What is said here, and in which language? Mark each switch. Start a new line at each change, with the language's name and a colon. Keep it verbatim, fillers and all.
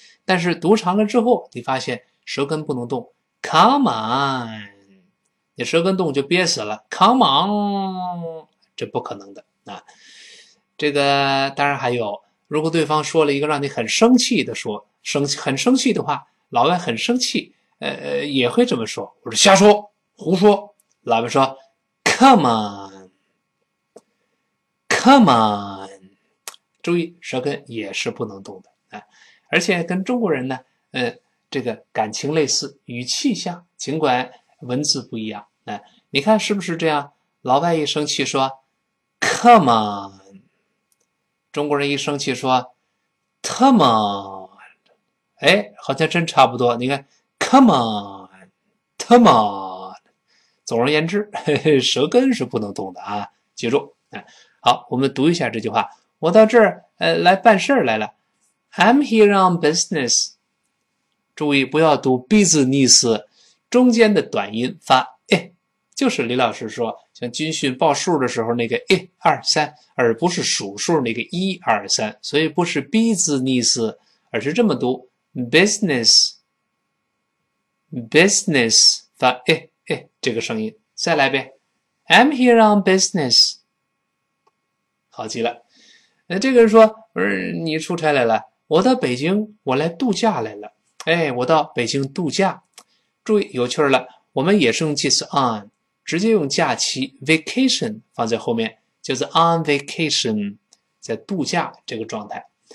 Chinese: 但是读长了之后，你发现舌根不能动 ，come on， 你舌根动就憋死了 ，come on， 这不可能的啊。这个当然还有，如果对方说了一个让你很生气的说，生很生气的话。老外很生气，呃，也会这么说。我说瞎说，胡说。老外说 ，Come on， Come on。注意，舌根也是不能动的啊。而且跟中国人呢，呃，这个感情类似，语气像，尽管文字不一样啊。你看是不是这样？老外一生气说 ，Come on。中国人一生气说 ，Come on。哎，好像真差不多。你看 ，come on， come on。总而言之，呵呵，舌根是不能动的啊，记住。好，我们读一下这句话我到这儿呃来办事儿来了。
English: I'm here on business。
Chinese: 注意不要读 business， 中间的短音发 i， 就是李老师说像军训报数的时候那个 i 二三，而不是数数那个一二三，所以不是 business， 而是这么读 business business 发 i i 这个声音。再来呗 ，
English: I'm here on business。
Chinese: 好极了。那这个人说，不是你出差来了，我到北京，我来度假来了。哎，我到北京度假。注意，有趣了，我们也是用介词 on， 直接用假期 vacation 放在后面，就是 on vacation， 在度假这个状态。